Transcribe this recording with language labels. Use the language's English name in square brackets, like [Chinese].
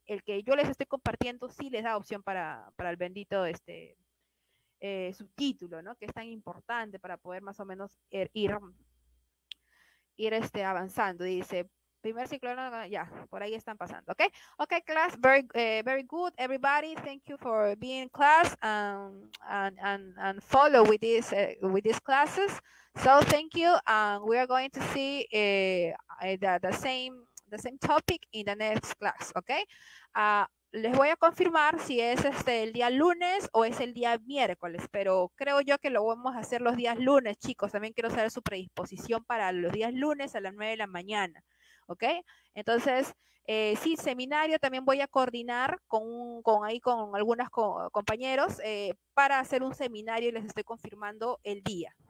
[Spanish] El que yo les estoy compartiendo sí les da opción para el bendito subtítulo, ¿no? Que es tan importante para poder más o menos ir avanzando. Dice, primer ciclo, no, ya, por ahí están pasando, ¿ok? [English] Ok, class, very very good, everybody. Thank you for being in class and follow with these classes. So thank you, and we are going to see the same topic in the next class, ¿ok? [Spanish] Les voy a confirmar si es el día lunes o es el día miércoles, pero creo yo que lo vamos a hacer los días lunes, chicos. También quiero saber su predisposición para los días lunes a las 9 de la mañana. ¿Ok? Entonces, sí, seminario también voy a coordinar con algunos compañeros para hacer un seminario y les estoy confirmando el día.